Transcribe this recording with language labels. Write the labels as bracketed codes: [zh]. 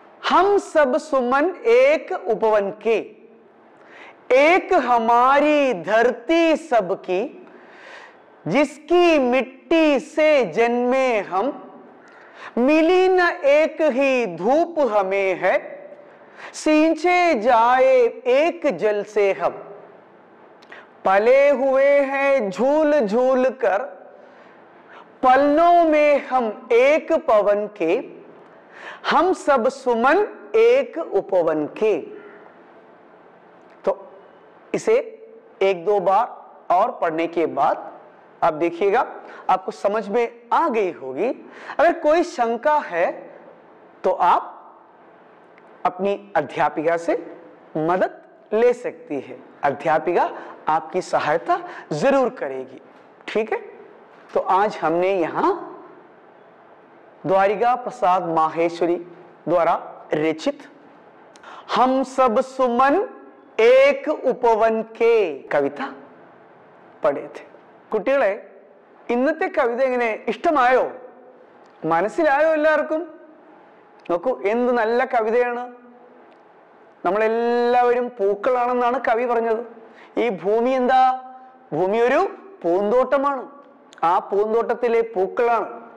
[hi] ഹം sub Suman ഏക ഉപവൻ കേ, ഏക ഹമാരി ധർത്തി സബ് കി, ജിസ്കി മിട്ടി സേ ജന്മേ ഹം, മിലി ന ഏക ഹി ധൂപ് ഹമേ ഹേ, सींचे जाए एक जल से हम. पले हुए हैं झूल झूल कर पलनों में हम एक पवन के, हम सब सुमन एक उपवन के. तो इसे एक दो बार और पढ़ने के बाद आप देखिएगा आपको समझ में आ गई होगी. अगर कोई शंका है तो आप अपनी अध्यापिका से मदद ले सकती है. अध्यापिका आपकी सहायता जरूर करेगी. ठीक है, तो आज हमने यहां द्वारिका प्रसाद माहेश्वरी द्वारा रचित हम सब सुमन एक उपवन के कविता पढ़े थे। [ml] കുട്ടികളെ, ഇന്നത്തെ കവിത എങ്ങനെ? ഇഷ്ടമായോ? മനസ്സിലായോ? എല്ലാവർക്കും നോക്കൂ, എന്ത് നല്ല കവിതയാണ്! നമ്മളെല്ലാവരും പൂക്കളാണെന്നാണ് കവി പറഞ്ഞത്. ഈ ഭൂമി എന്താ? ഭൂമി ഒരു പൂന്തോട്ടമാണ്. ആ പൂന്തോട്ടത്തിലെ പൂക്കളാണ്.